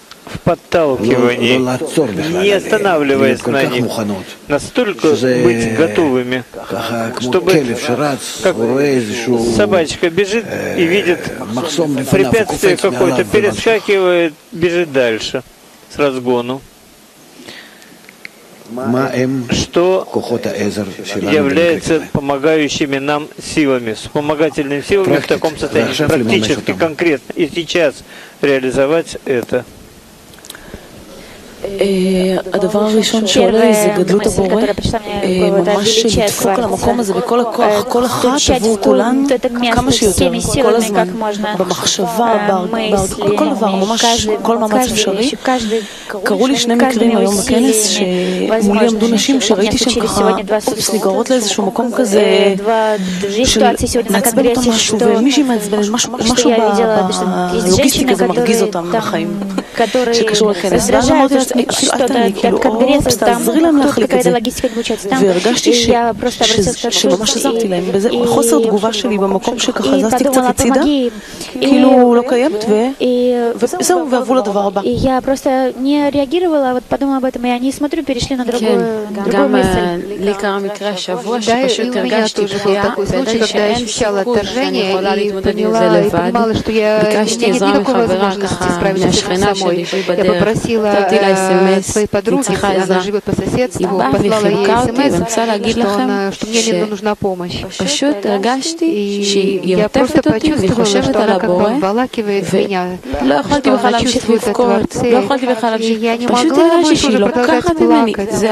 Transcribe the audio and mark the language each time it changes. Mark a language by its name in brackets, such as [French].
[Russian] в подталкивании, не останавливаясь на них, настолько быть готовыми, чтобы, как собачка бежит и видит препятствие какое-то, перескакивает, бежит дальше с разгону. Что является помогающими нам силами, вспомогательными силами в таком состоянии, практически, конкретно, и сейчас реализовать это? [Hebrew] הדבר הראשון שעולה לי זה גדלות הבורא, ממש לדפוק למקום הזה בכל הכוח, כל אחת עבור כולן, כמה שיותר, כל הזמן, במחשבה, בכל דבר, ממש כל מאמץ אפשרי. קראו לי שני מקרים היום בכנס, שמולי עמדו נשים שראיתי שהן ככה, אופס, נגרות לאיזשהו מקום כזה, של מעצבן אותם משהו, ומישהי מעצבן, משהו בלוגיסטיקה זה מרגיז אותם בחיים. שקשור לכנס. ואז אמרתי לעצמי, כאילו, את אני, כאילו, תעזרי להם להחליק את זה. והרגשתי שממש עזרתי להם. וזה חוסר תגובה שלי במקום שככה זזתי קצת הצידה, כאילו לא קיימת, וזהו, ועברו לדבר הבא. [Russian] Я просто не реагировала, вот подумала об этом, и они смотрю, перешли на другую мысль. [Hebrew] גם לי קרה מקרה השבוע, שפשוט הרגשתי דחייה, וידעתי שאין סיכוי שאני יכולה להתמודד עם זה לבד. ביקשתי עזרה מחברה ככה מהשכנה [Russian] Я попросила своей подруги, она живет по соседству, послала ей смс, что мне не нужна помощь. И я просто почувствовала, что она как бы обволакивает меня, что она чувствует о Творце, и я не могла больше уже продолжать плакать.